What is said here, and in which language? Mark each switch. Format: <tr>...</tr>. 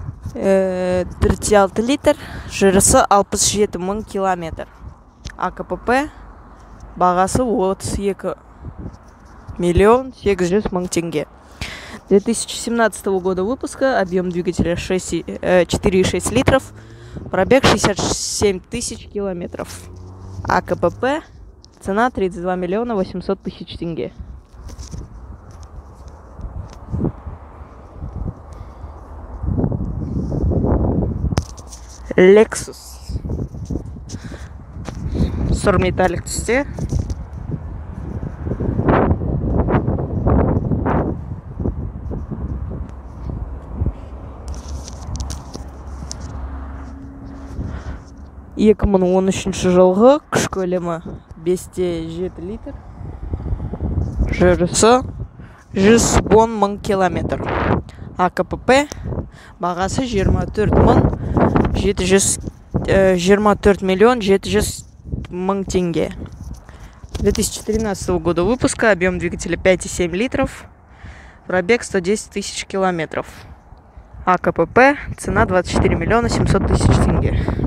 <kk>Тертиалты литр, жүрісі 67 мың километр. АКПП бағасы 32 миллион 800 мың тенге.</kk> <ru>2017 года выпуска, объем двигателя 4,6 литров, пробег 67 тысяч километров. АКПП, цена 32 миллиона 800 тысяч тенге. Lexus. Сор металлик цвете.</ru> <kk>Екі мұны он үшінші жылғы күш көлемі 5,7 литр. Жүрісі 110 мың километр. АКПП бағасы 24 миллион 700 мың тенге.</kk> <ru>2013 года выпуска, объем двигателя 5,7 литров, пробег 110 тысяч километров. АКПП, цена 24 миллиона 700 тысяч тенге.</ru>